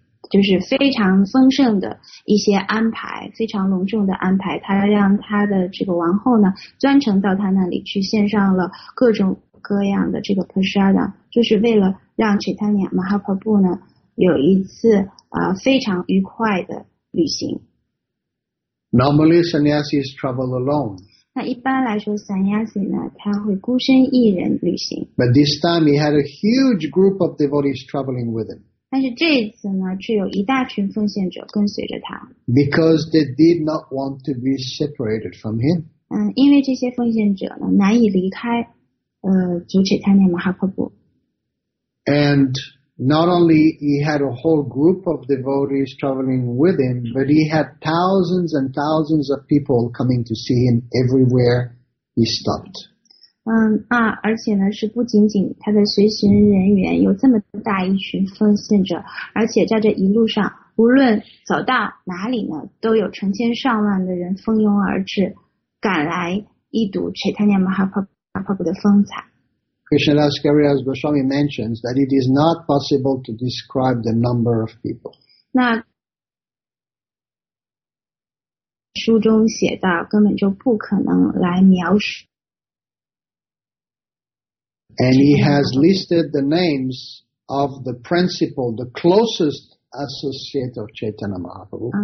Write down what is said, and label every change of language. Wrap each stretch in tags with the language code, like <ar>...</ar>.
<zh>就是非常丰盛的一些安排，非常隆重的安排。他让他的这个王后呢，专程到他那里去献上了各种各样的这个 prasadam， 就是为了让 Chaitanya Mahaprabhu 呢有一次非常愉快的旅行。</zh> <en>Normally, sannyasis travel alone.</en> <zh>那一般来说 ，sannyasi 呢，他会孤身一人旅行。</zh> <en>But this time, he had a huge group of devotees traveling with him.</en> <zh>但是这一次呢，却有一大群奉献者跟随着他。</zh> <en>Because they did not want to be separated from him.</en> <zh>因为这些奉献者呢，难以离开，主 Chaitanya Mahaprabhu。</zh> <en>And not only he had a whole group of devotees traveling with him, but he had thousands and thousands of people coming to see him everywhere he stopped.</en> <zh>而且呢，是不仅仅他的随行人员有这么大一群奉献者，而且在这一路上，无论走到哪里呢，都有成千上万的人蜂拥而至，赶来一睹 Chaitanya Mahaprabhu 的风采。</zh> <en>Krishnadas Kaviraj Goswami mentions that it is not possible to describe the number of people.</en> <zh>那书中写到，根本就不可能来描述。</zh> <en>And he has listed the names of the principal, the closest associate of Chaitanya Mahaprabhu.</en>